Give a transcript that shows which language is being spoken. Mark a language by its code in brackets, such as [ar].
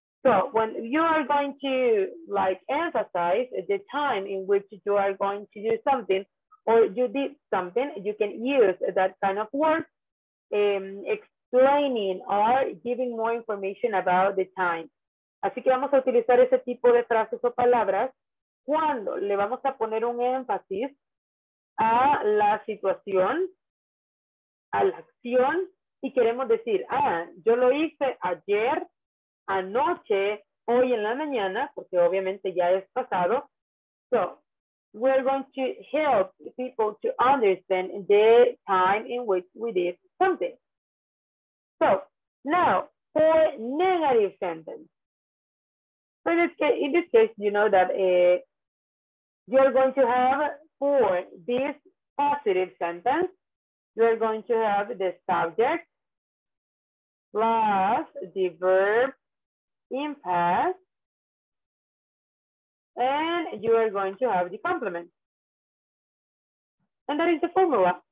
[en] So when you are going to like emphasize the time in which you are going to do something or you did something, you can use that kind of word. Explaining or giving more information about the time. [es] Así que vamos a utilizar ese tipo de frases o palabras cuando le vamos a poner un énfasis a la situación, a la acción, y queremos decir, ah, yo lo hice ayer, anoche, hoy en la mañana, porque obviamente ya es pasado. [en] So, we're going to help people to understand the time in which we did something. So now for negative sentence. So in this case, you know that you're going to have for this positive sentence, you're going to have the subject plus the verb in past, and you are going to have the complement. And that is the formula.